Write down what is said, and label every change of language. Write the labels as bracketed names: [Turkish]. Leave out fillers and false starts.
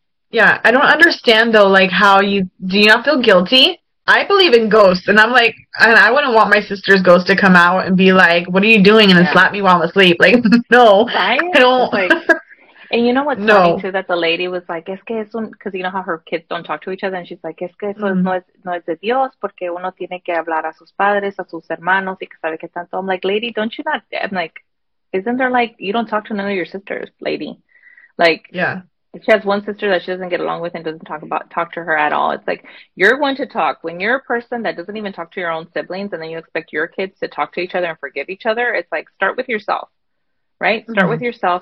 [English] Yeah, I don't understand, though, like, how you, do you not feel guilty? I believe in ghosts, and I'm like, and I wouldn't want my sister's ghost to come out and be like, what are you doing, and then slap me while I'm asleep. Like, no, right? I don't. Like, and you know what's funny, too, that the lady was like, [Spanish] es que eso, [English] because you know how her kids don't talk to each other, and she's like, es que eso mm-hmm. [Spanish] no es de Dios, porque uno tiene que hablar a sus padres, a sus hermanos, y que sabe que tanto. [English] I'm like, lady, don't you not, I'm like, isn't there, like, you don't talk to none of your sisters, lady. Like, yeah. She has one sister that she doesn't get along with and doesn't talk to her at all. It's like, you're one to talk. When you're a person that doesn't even talk to your own siblings, and then you expect your kids to talk to each other and forgive each other, it's like, start with yourself, right? Mm-hmm. Start with yourself.